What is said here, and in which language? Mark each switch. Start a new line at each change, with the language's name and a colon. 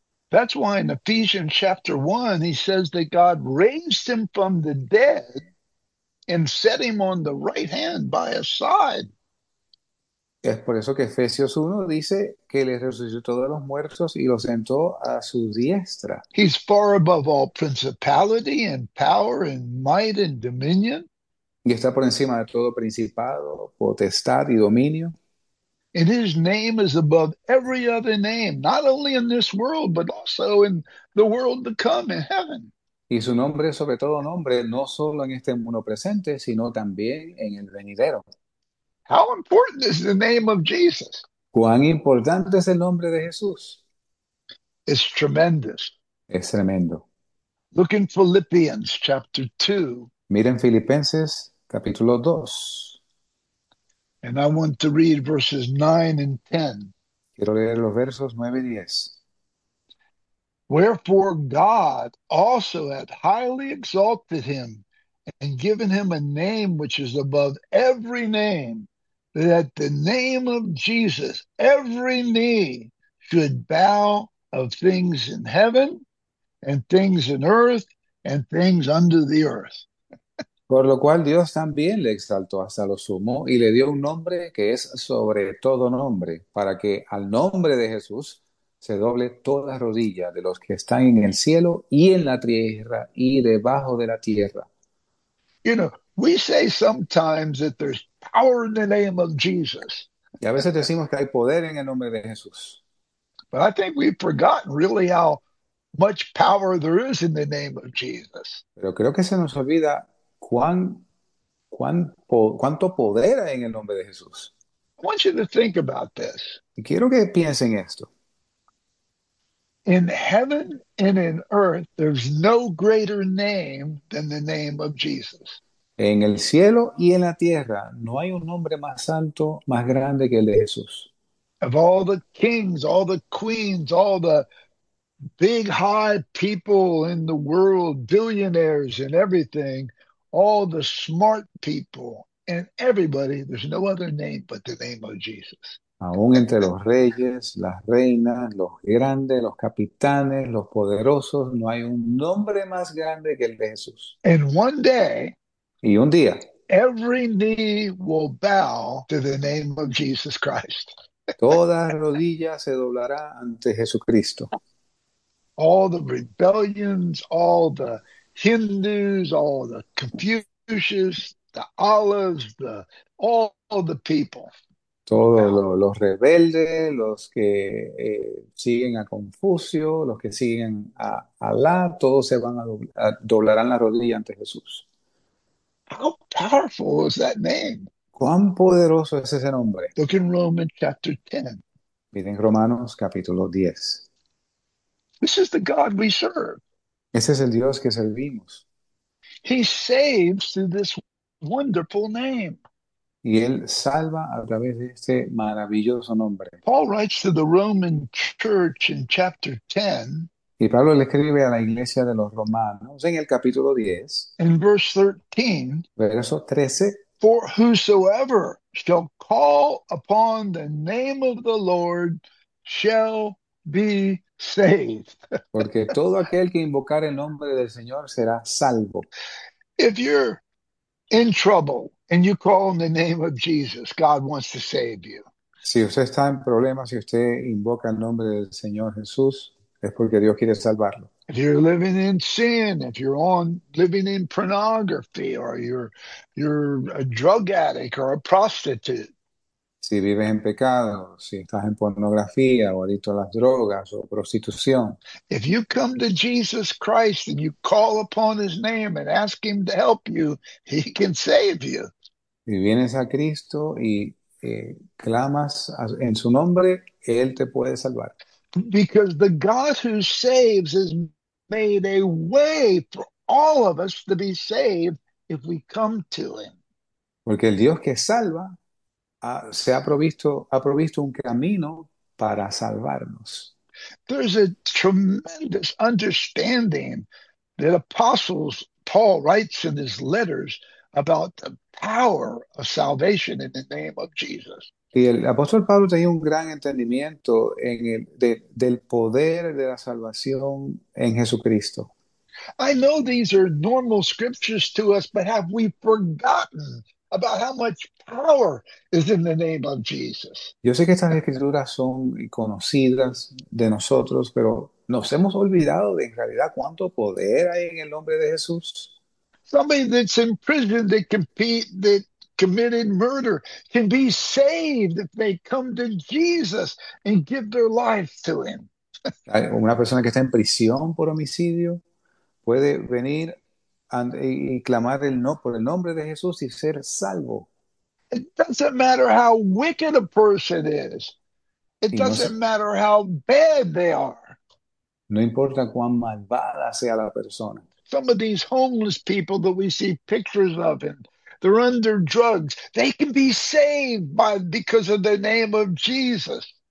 English: That's why in Ephesians chapter 1, he says that God raised him from the dead and set him on the right hand by his side.
Spanish: Es por eso que Efesios 1 dice que le resucitó de los muertos y lo sentó a su diestra.
English: He's far above all principality and power and might and dominion.
Spanish: Y está por encima de todo principado, potestad y dominio.
English: And his name is above every other name, not only in this world, but also in the world to come in heaven.
Spanish: Y su nombre es sobre todo nombre, no solo en este mundo presente, sino también en el venidero.
English: How important is the name of Jesus?
Spanish: ¿Cuán importante es el nombre de Jesús?
English: It's tremendous.
Spanish: Es tremendo.
English: Look in Philippians chapter 2.
Spanish: Miren Filipenses capítulo 2.
English: And I want to read verses 9 and 10.
Spanish: Quiero leer los versos 9 y 10.
English: Wherefore God also hath highly exalted him and given him a name which is above every name, that at the name of Jesus every knee should bow of things in heaven and things in earth and things under the earth.
Spanish: Por lo cual Dios también le exaltó hasta lo sumo y le dio un nombre que es sobre todo nombre, para que al nombre de Jesús se doble toda rodilla de los que están en el cielo y en la tierra y debajo de la tierra.
English: You know, we say sometimes that there's power in the name of Jesus.
Spanish: Y a veces decimos que hay poder en el nombre de Jesús.
English: But I think we've forgotten really how much power there is in the name of Jesus.
Spanish: Pero creo que se nos olvida. ¿Cuánto poder hay en el nombre de Jesús?
English: I want you to think about this.
Spanish: Y quiero que piensen esto.
English: In heaven and in earth, there's no greater name than the name of Jesus.
Spanish: En el cielo y en la tierra no hay un nombre más alto, más grande que el de Jesús.
English: Of all the kings, all the queens, all the big high people in the world, billionaires and everything, all the smart people and everybody, there's no other name but the name of Jesus.
Spanish: Aún entre los reyes, las reinas, los grandes, los capitanes, los poderosos, no hay un nombre más grande que el de Jesús.
English: And one day,
Spanish: Y un día,
English: every knee will bow to the name of Jesus Christ.
Spanish: toda rodilla se doblará ante Jesucristo.
English: All the rebellions, all the Hindus, all the Confucius, the Olives, all the people
Spanish: Todos
English: bow.
Spanish: los rebeldes, los que siguen a Confucio, los que siguen a Alá, todos se van a doblarán la rodilla ante Jesús.
English: How powerful is that name?
Spanish: ¿Cuán poderoso es ese nombre?
English: Look in Romans chapter 10.
Spanish: Miren Romanos capítulo 10.
English: This is the God we serve.
Spanish: Ese es el Dios que servimos.
English: He saves through this wonderful name.
Spanish: Y él salva a través de este maravilloso nombre.
English: Paul writes to the Roman church in chapter 10.
Spanish: Y Pablo le escribe a la iglesia de los romanos en el capítulo 10,
English: In verse 13,
Spanish: verso 13.
English: for whosoever shall call upon the name of the Lord shall be saved.
Spanish: Porque todo aquel que invocar el nombre del Señor será salvo.
English: If you're in trouble and you call on the name of Jesus, God wants to save you.
Spanish: Si usted está en problemas, si usted invoca el nombre del Señor Jesús, es porque Dios quiere salvarlo.
English: If you're living in sin, if you're on living in pornography, or you're a drug addict or a prostitute,
Spanish: Si vives en pecado, si estás en pornografía o adicto a las drogas o prostitución.
English: if you come to Jesus Christ and you call upon his name and ask him to help you, he can save you.
Spanish: Y vienes a Cristo y clamas en su nombre, Él te puede salvar.
English: Because the God who saves has made a way for all of us to be saved if we come to him.
Spanish: Porque el Dios que salva ha provisto un camino para salvarnos.
English: There's a tremendous understanding that apostles Paul writes in his letters about the power of salvation in the name of Jesus.
Spanish: Y el apóstol Pablo tenía un gran entendimiento del poder de la salvación en Jesucristo.
English: I know these are normal scriptures to us, but have we forgotten about how much power is in the name of Jesus?
Spanish: Yo sé que estas escrituras son conocidas de nosotros, pero nos hemos olvidado de en realidad cuánto poder hay en el nombre de Jesús.
English: Somebody that's in prison that committed murder can be saved if they come to Jesus and give their life to him.
Spanish: Una persona que está en prisión por homicidio puede venir y clamar por el nombre de Jesús y ser salvo.
English: It doesn't matter how wicked a person is. It
Spanish: Y
English: doesn't matter how bad they are.
Spanish: no importa cuán malvada sea la persona.
English: Some of these homeless people that we see pictures of and they're under drugs, they can be saved because of the name of Jesus.